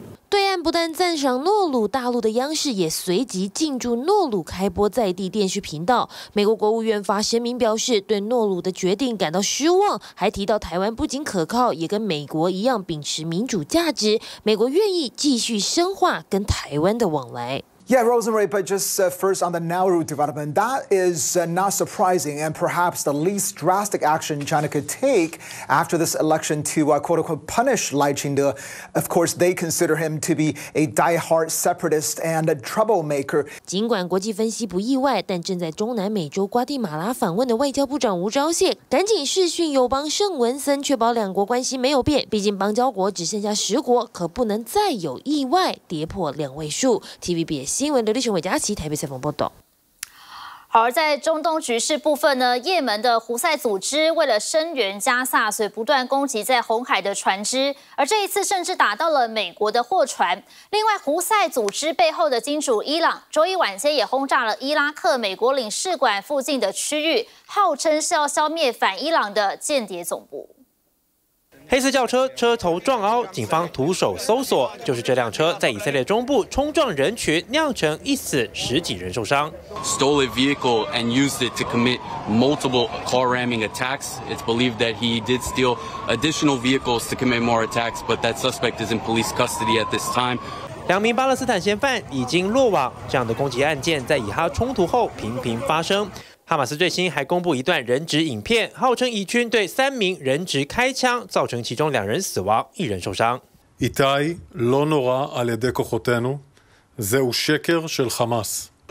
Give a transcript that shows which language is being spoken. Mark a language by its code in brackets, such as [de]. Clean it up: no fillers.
[zh] 对岸不但赞赏诺鲁，大陆的央视也随即进驻诺鲁开播在地电视频道。美国国务院发声明表示，对诺鲁的决定感到失望，还提到台湾不仅可靠，也跟美国一样秉持民主价值，美国愿意继续深化跟台湾的往来。 [en] Yeah, Rosemary, but just first on the Nauru development, that is not surprising and perhaps the least drastic action China could take after this election to quote-unquote punish Lai Ching-de. Of course, they consider him to be a diehard separatist and a troublemaker. [zh] 尽管国际分析不意外，但正在中南美洲瓜地马拉访问的外交部长吴钊燮赶紧视讯友邦圣文森，确保两国关系没有变。毕竟邦交国只剩下10国，可不能再有意外跌破两位数。 TVBS新闻刘立雄、韦佳琪台北采访报道。好，在中东局势部分呢，也门的胡塞组织为了声援加萨，所以不断攻击在红海的船只，而这一次甚至打到了美国的货船。另外，胡塞组织背后的金主伊朗，周一晚间也轰炸了伊拉克美国领事馆附近的区域，号称是要消灭反伊朗的间谍总部。黑色轿车车头撞凹，警方徒手搜索，就是这辆车在以色列中部冲撞人群，酿成一死，十几人受伤。 [en] Stole a vehicle and used it to commit multiple car ramming attacks. It's believed that he did steal additional vehicles to commit more attacks, but that suspect is in police custody at this time. [zh] 两名巴勒斯坦嫌犯已经落网，这样的攻击案件在以哈冲突后频频发生。哈马斯最新还公布一段人质影片，号称以军对3名人质开枪，造成其中2人死亡，1人受伤。 [he] Itai lo nora al yedei kochotenu, zehu sheker shel Hamas。